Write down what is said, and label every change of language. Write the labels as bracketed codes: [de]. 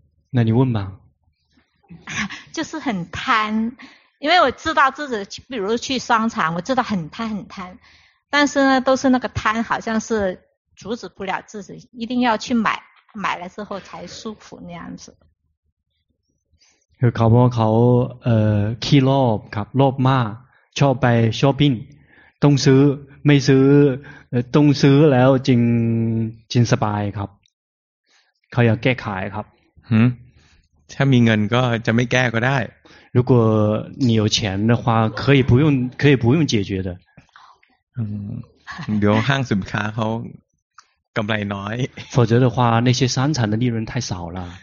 [zh] 那你问吧。就是很贪，因为我知道自己，比如去商场，我知道很贪很贪，但是呢，都是那个贪，好像是阻止不了自己，一定要去买，买了之后才舒服那样子。 [th] คือเขาบอกเขาขี้โลภครับโลภมากชอบไปช้อปปิ้งต้องซื้อไม่ซื้อต้องซื้อแล้วจริงจริงสบายครับเขาอยากแก้ไขครับ ถ้ามีเงินก็จะไม่แก้ก็ได้ [zh] 如果你有钱的话可以不用可以不用解决的 [th] เดี๋ยวห้างสินค้าเขากำไรน้อย [zh] 否则的话那些商场的利润太少了